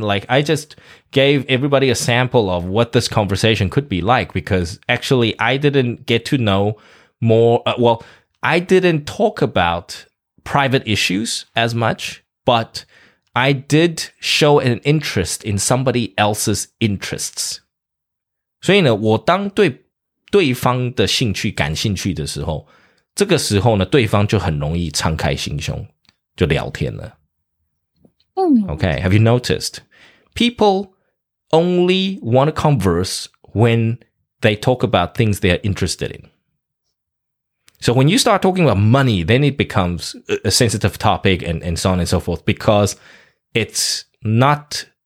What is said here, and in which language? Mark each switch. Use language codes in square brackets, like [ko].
[en] Like, I just gave everybody a sample of what this conversation could be like because actually I didn't get to know more. I didn't talk about private issues as much, but I did show an interest in somebody else's interests. [zh] 所以呢，我当对对方的兴趣感兴趣的时候，这个时候呢，对方就很容易敞开心胸，就聊天了。 [en] Okay, have you noticed? People only want to converse when they talk about things they are interested in. So when you start talking about money, then it becomes a sensitive topic and so on and so forth, because it's not...